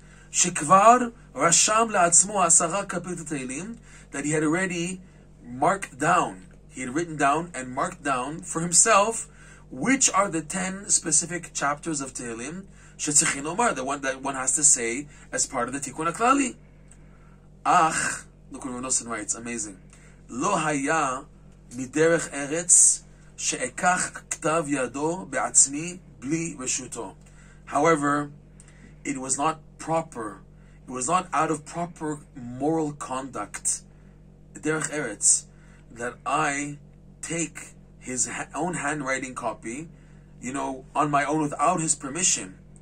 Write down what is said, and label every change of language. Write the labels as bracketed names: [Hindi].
[Hebrew] שכבר רשם לעצמו עשרה קפיטות תהילים, [English] that he had already marked down, he had written down and marked down for himself which are the 10 specific chapters of Tehillim [Hebrew] שצריכים לומר, [English] the one that one has to say as part of the Tikkun HaKlali. [Hebrew] אך, [English] look what Reb Noson writes, amazing, [Hebrew] לא היה מדרך ארץ שאקח כתב ידו בעצמי בלי רשותו. [English] However, it was not proper, it was not out of proper moral conduct, derech eretz, that I take his own handwriting copy, you know, on my own without his permission.